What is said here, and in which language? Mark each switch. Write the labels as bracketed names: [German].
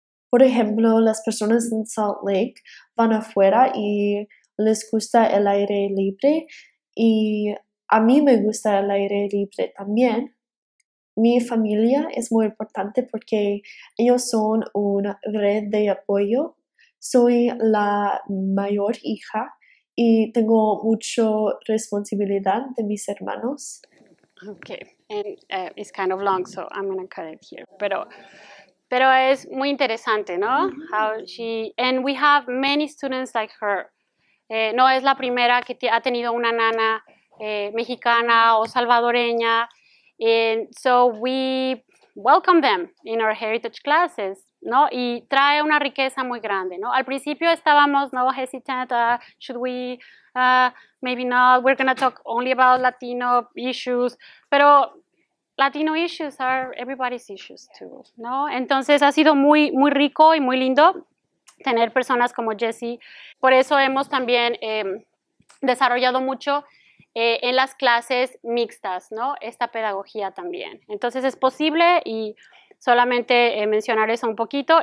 [Spanish] Por ejemplo, las personas en Salt Lake van afuera y les gusta el aire libre y a mí me gusta el aire libre también. Mi familia es muy importante porque ellos son una red de apoyo. Soy la mayor hija y tengo mucha responsabilidad de mis hermanos. [English] Okay, and it's kind of long, so I'm going to cut it here. Pero [Spanish] Pero es muy interesante, ¿no? [English] How she and we have many students like her. [Spanish] No es la primera que ha tenido una nana mexicana o salvadoreña. [English] And so we welcome them in our heritage classes, ¿no? [Spanish] Y trae una riqueza muy grande, ¿no? Al principio estábamos, ¿no? [English] Hesitant, should we, maybe not, we're going to talk only about Latino issues, pero Latino issues are everybody's issues too, ¿no? [Spanish] Entonces ha sido muy, muy rico y muy lindo tener personas como Jessie. Por eso hemos también desarrollado mucho en las clases mixtas, ¿no? Esta pedagogía también. Entonces es posible y solamente mencionar eso un poquito.